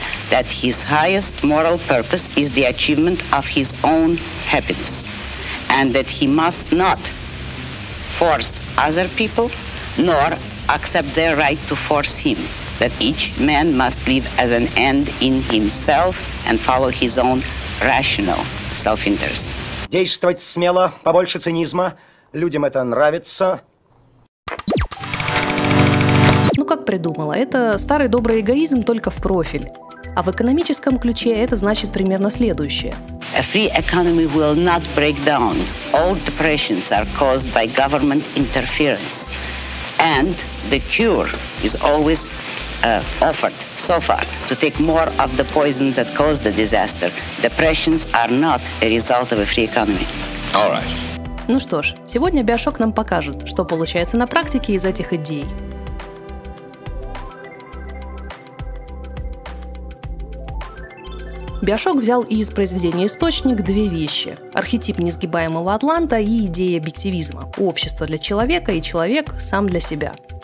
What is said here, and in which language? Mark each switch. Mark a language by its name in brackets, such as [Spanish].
[English] That his highest moral purpose is the achievement of his own happiness. And that he must not force other people, nor accept their right to force him. That each man must live as an end in himself and follow his own rational self-interest. [Russian] Действовать смело, побольше цинизма. Людям это нравится. Ну как придумала? Это старый добрый эгоизм только в профиль. А в экономическом ключе это значит примерно следующее. [English] A free economy will not break down. All depressions are caused by government interference. And the cure is always offered so far to take more of the poisons that caused the disaster. Depressions are not a result of a free economy. All right. [Russian] Ну что ж, сегодня BioShock нам покажет, что получается на практике из этих идей. BioShock взял из произведения «Источник» две вещи – архетип несгибаемого атланта и идеи объективизма – общество для человека и человек сам для себя.